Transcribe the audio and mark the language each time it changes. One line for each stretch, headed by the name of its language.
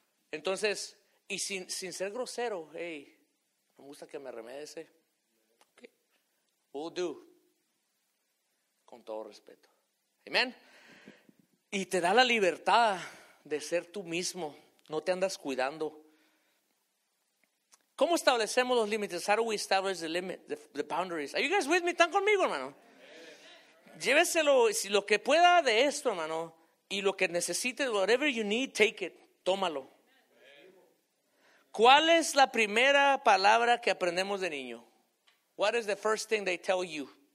Spanish: Entonces, y sin ser grosero, hey, me gusta que me remedese.
English: Okay. We'll do.
Spanish: Con todo respeto. Amen. Y te da la libertad de ser tú mismo. No te andas cuidando. ¿Cómo establecemos los límites?
English: How do we establish the limit, the boundaries? Are you guys with me?
Spanish: ¿Están conmigo, hermano? Lléveselo, si lo que pueda de esto, hermano, y lo que necesite,
English: whatever you need, take it,
Spanish: tómalo. ¿Cuál es la primera palabra que aprendemos de niño?
English: What is the first thing they tell you?